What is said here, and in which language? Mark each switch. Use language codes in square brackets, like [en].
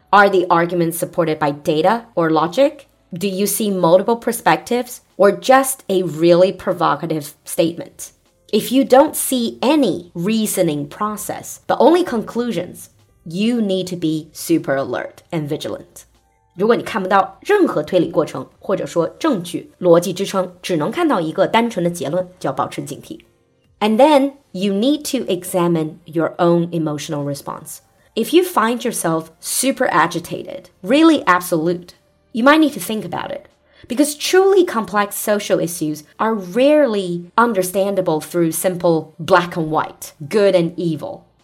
[en] Are the arguments supported by data or logic? Do you see multiple perspectives or just a really provocative statement? If you don't see any reasoning process, but only conclusions, you need to be super alert and vigilant. [zh] 如果你看不到任何推理过程或者说证据逻辑支撑，只能看到一个单纯的结论，就要保持警惕。 [en] And then you need to examine your own emotional response. If you find yourself super agitated, really absolute, you might need to think about it. Because truly complex social issues are rarely understandable through simple black and white, good and evil.